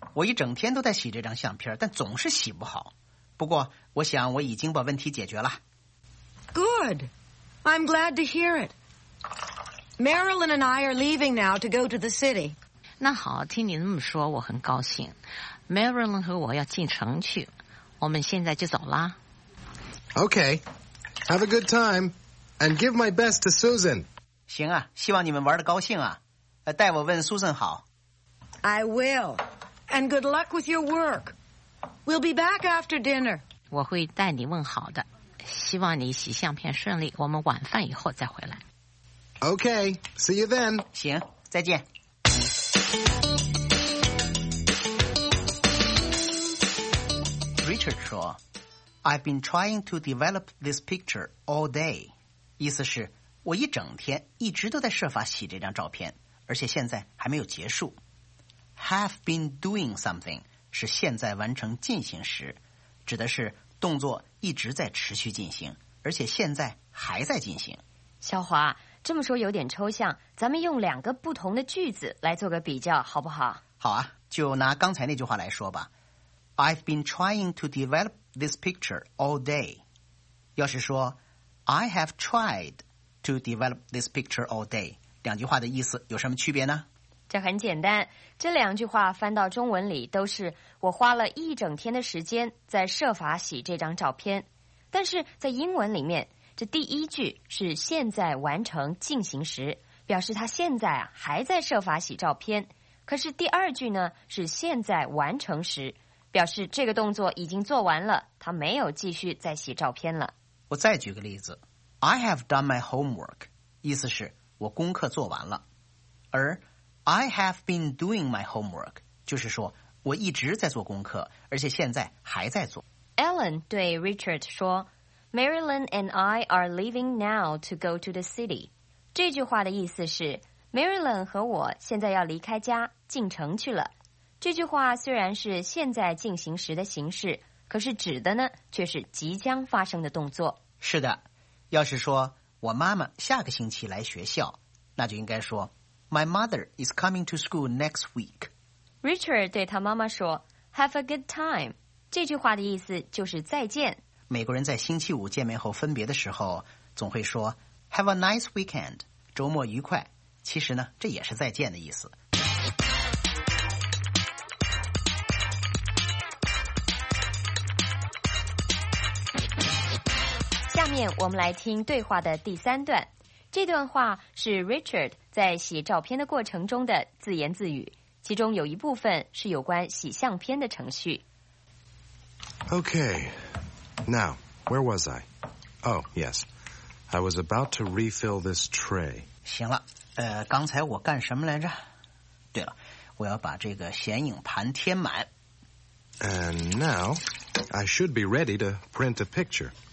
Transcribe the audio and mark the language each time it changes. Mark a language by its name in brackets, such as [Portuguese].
[Chinese] 我一整天都在洗这张相片，但总是洗不好。不过，我想我已经把问题解决了。 [English] Good. I'm glad to hear it. Marilyn and I are leaving now to go to the city. [Chinese] 那好，听你那么说，我很高兴。Marilyn 和我要进城去，我们现在就走啦。 [English] Okay. Have a good time. And give my best to Susan. [Chinese] 行啊，希望你们玩得高兴啊。代我问苏珊好。 [English] I will. And good luck with your work. We'll be back after dinner. [Chinese] 我会代你问好的。希望你洗相片顺利，我们晚饭以后再回来。 [English] Okay, see you then. [Chinese] 行，再见。 [English] Richard 说 I've been trying to develop this picture all day. [Chinese] 意思是我一整天一直都在设法洗这张照片。而且现在还没有结束。 [English] Have been doing something [Chinese] 是现在完成进行时，指的是动作一直在持续进行，而且现在还在进行。小华，这么说有点抽象，咱们用两个不同的句子来做个比较，好不好？好啊，就拿刚才那句话来说吧。 [English] I've been trying to develop this picture all day. [Chinese] 要是说 [English] I have tried to develop this picture all day. [Chinese] 两句话的意思有什么区别呢？这很简单，这两句话翻到中文里都是我花了一整天的时间在设法洗这张照片。但是在英文里面，这第一句是现在完成进行时，表示他现在还在设法洗照片。可是第二句呢，是现在完成时，表示这个动作已经做完了，他没有继续再洗照片了。我再举个例子 ， [English] I have done my homework， [Chinese] 意思是。我功课做完了，而 [English] I have been doing my homework [Chinese] 就是说我一直在做功课，而且现在还在做。 [English] Ellen 对 Richard 说 ，Marilyn and I are leaving now to go to the city。 [Chinese] 这句话的意思是 Marilyn 和我现在要离开家进城去了。这句话虽然是现在进行时的形式，可是指的呢却是即将发生的动作。是的，要是说。我妈妈下个星期来学校，那就应该说 [English] My mother is coming to school next week. [Chinese] Richard 对他妈妈说 [English] Have a good time. [Chinese] 这句话的意思就是再见。美国人在星期五见面后分别的时候总会说 [English] Have a nice weekend. [Chinese] 周末愉快。其实呢，这也是再见的意思。下面我们来听对话的第三段。这段话是 Richard 在洗照片的过程中的自言自语，其中有一部分是有关洗相片的程序。 [English] Okay, now, where was I? Oh, yes, I was about to refill this tray. [Chinese] 行了，刚才我干什么来着？对了，我要把这个显影盘填满。 [English] And now, I should be ready to print a picture.